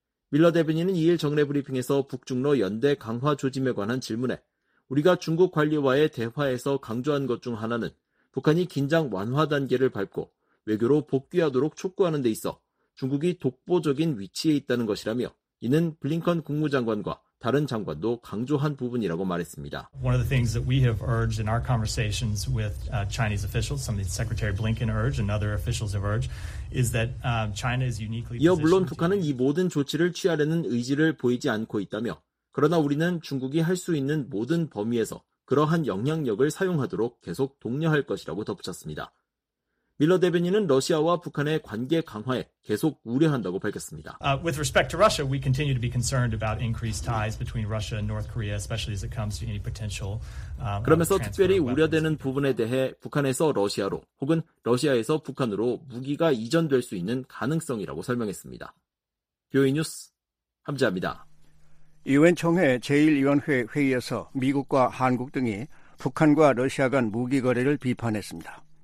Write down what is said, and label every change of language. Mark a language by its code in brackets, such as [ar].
[ko] 밀러 대변인은 2일 정례 브리핑에서 북중러 연대 강화 조짐에 관한 질문에 우리가 중국 관료와의 대화에서 강조한 것 중 하나는 북한이 긴장 완화 단계를 밟고 외교로 복귀하도록 촉구하는 데 있어 중국이 독보적인 위치에 있다는 것이라며 이는 블링컨 국무장관과 다른 장관도 강조한 부분이라고 말했습니다. [en] One of the things that we have urged in our conversations with Chinese officials, some of the Secretary Blinken urged and other officials have urged, is that China is uniquely. [ko] 이어 물론 북한은 이 모든 조치를 취하려는 의지를 보이지 않고 있다며, 그러나 우리는 중국이 할 수 있는 모든 범위에서 그러한 영향력을 사용하도록 계속 독려할 것이라고 덧붙였습니다. 밀러 대변인은 러시아와 북한의 관계 강화에 계속 우려한다고 밝혔습니다. [en] With respect to Russia, we continue to be concerned about increased ties between Russia and North Korea, especially as it comes to any potential. [ko] 그러면서 특별히 우려되는 부분에 대해 북한에서 러시아로 혹은 러시아에서 북한으로 무기가 이전될 수 있는 가능성이라고 설명했습니다. 교회 뉴스 함재합니다. 유엔 총회 제1위원회 회의에서 미국과 한국 등이 북한과 러시아 간 무기 거래를 비판했습니다.